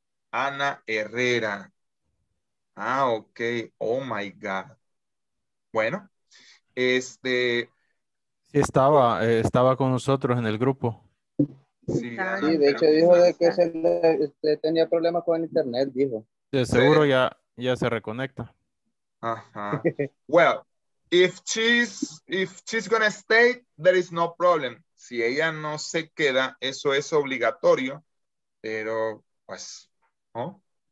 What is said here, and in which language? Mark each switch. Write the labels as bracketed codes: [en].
[en] Ana Herrera. Ah, ok. Oh, my God. [es] Bueno, este... Sí, estaba, estaba con nosotros en el grupo. Sí, Ana, sí, de hecho dijo de que se le, se tenía problemas con el internet, dijo. De seguro ya, ya se reconecta. Ajá. [en] Well, if she's gonna stay, there is no problem. [es] Si ella no se queda, eso es obligatorio, pero pues, ¿no?